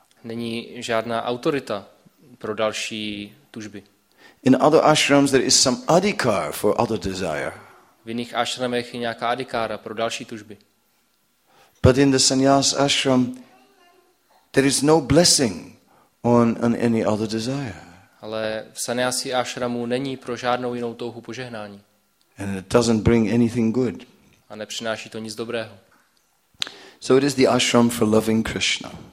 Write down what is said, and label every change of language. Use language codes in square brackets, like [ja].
[cs] Není žádná autorita pro další tužby. [en] In other ashrams there is some adhikar for other desire. [cs] V jiných ashramech je nějaká adhikára pro další tužby. [en] But in the sannyas ashram there is no blessing on any other desire. [cs] Ale v sannyasi ashramu není pro žádnou jinou touhu požehnání. [en] And it doesn't bring anything good. [cs] A nepřináší to nic dobrého. [en] So it is the ashram for loving Krishna.